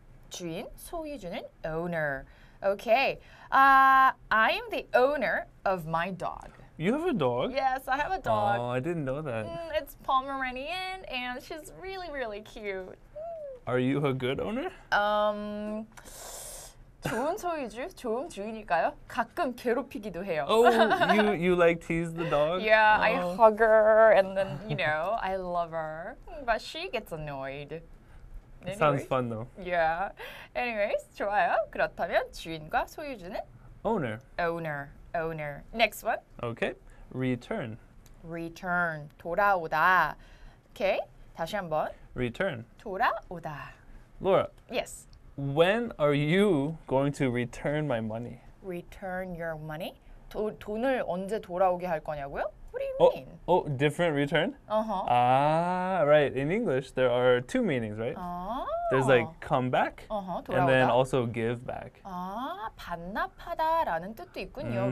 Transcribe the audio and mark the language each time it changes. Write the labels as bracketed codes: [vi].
[ko] 주인 소유주는 [en] owner. Okay, I'm the owner of my dog. You have a dog? Yes, I have a dog. Oh, I didn't know that. It's Pomeranian, and she's really, really cute. Are you a good owner? [ko] 좋은 소유주, 좋은 주인일까요? 가끔 괴롭히기도 해요. [en] Oh, you like tease the dog? Yeah, oh. I hug her, and then, you know, I love her. But she gets annoyed. Anyways, sounds fun though. Yeah. Anyways, [ko] 좋아요. 그렇다면 주인과 소유주는? [en] Owner. Owner. Owner. Next one. Okay. Return. [ko] Return. 돌아오다. Okay. 다시 한번. [en] Return. [ko] 돌아오다. [en] Laura. Yes. When are you going to return my money? Return your money? [ko] 돈을 언제 돌아오게 할 거냐고요? [en] What do you mean? Oh, different return? Uh-huh. Ah, right. In English, there are two meanings, right? There's like come back, uh-huh, and then also give back. [ko] 아, 반납하다라는 뜻도 있군요.